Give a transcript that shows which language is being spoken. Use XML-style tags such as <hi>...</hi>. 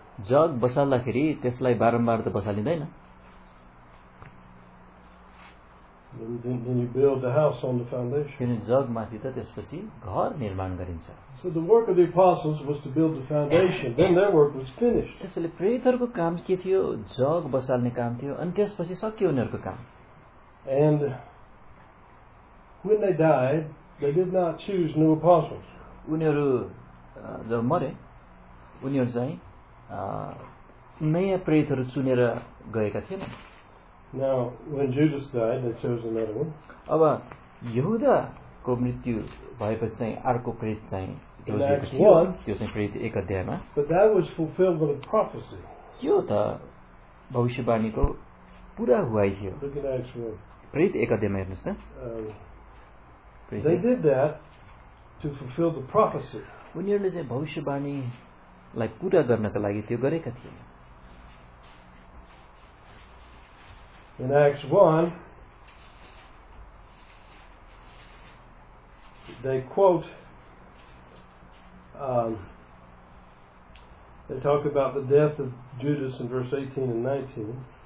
<ne>जग बसाल्दाखेरि त्यसलाई बारम्बार त बसालिँदैन.</ne> <en>Then you build the house on the foundation.</en> <ne>किन जगमाथि त त्यसपछि घर निर्माण गरिन्छ.</ne> <en>So the work of the apostles was to build the foundation. Then their work was finished.</en> <ne>त्यसले प्रेरितहरूको काम के थियो? जग बसाल्ने काम थियो. अनि त्यसपछि सकियो उनीहरूको काम.</ne> <en>And when they died, they did not choose new apostles.</en> <ne>उनीहरू जब मरे उनीहरू चाहिँ नयाँ प्रेरितहरू चुनेर गएका थिएनन्.</ne> <en>Now, when Judas died, they chose another one.</en> <ne>अब यहुदाको मृत्यु भएपछि चाहिँ अर्को प्रेरित चाहिँ त्यो चाहिँ प्रेरित एक अध्यायमा.</ne> <en>But that was fulfillment of prophecy.</en> <ne>त्यो त भविष्यवाणीको पुरा हुवाई थियो. प्रेरित एक अध्यायमा हेर्नुहोस् त.</ne> <en>They did that to fulfill the prophecy.</en> <ne>उनीहरूले चाहिँ भविष्यवाणीलाई पुरा गर्नका लागि त्यो गरेका थिए.</ne> <en>In Acts 1, they quote, they talk about the death of Judas in verse 18 and 19.</en>